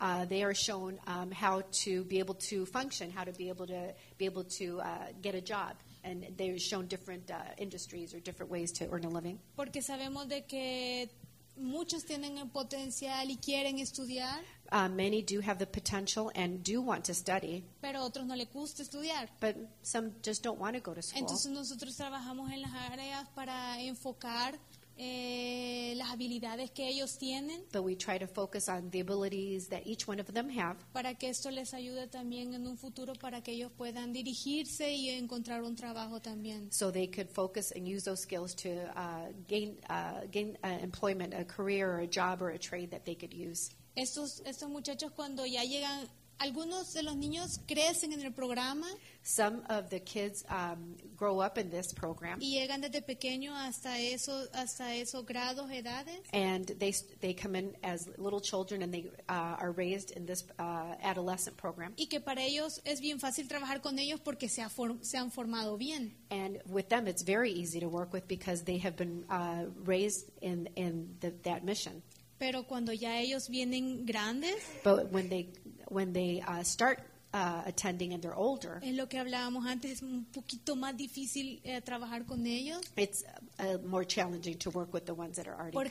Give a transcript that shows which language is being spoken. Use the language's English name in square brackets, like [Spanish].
[English] They are shown how to be able to function, how to be able to get a job. And they're shown different industries or different ways to earn a living. [Spanish] Porque sabemos de que muchos tienen el potencial y quieren estudiar. [English] Many do have the potential and do want to study. [Spanish] Pero otros no les gusta estudiar. [English] But some just don't want to go to school. [Spanish] Entonces nosotros trabajamos en las áreas para enfocar las habilidades que ellos tienen. [English] But we try to focus on the abilities that each one of them have. [Spanish] Para que esto les ayude también en un futuro para que ellos puedan dirigirse y encontrar un trabajo también. [English] So they could focus and use those skills to gain employment, a career or a job or a trade that they could use. [Spanish] Estos muchachos cuando ya llegan, algunos de los niños crecen en el programa. [English] Some of the kids grow up in this program. [Spanish] Y llegan desde pequeño hasta esos grados, edades. [English] And they come in as little children and they are raised in this adolescent program. [Spanish] Y que para ellos es bien fácil trabajar con ellos porque se han formado bien. [English] And with them it's very easy to work with because they have been raised in that mission. [Spanish] Pero cuando ya ellos vienen grandes, [English] but when they start attending and they're older, [Spanish] es lo que hablábamos antes, es un poquito más difícil trabajar con ellos. [English] It's more challenging to work with the ones that are already coming in.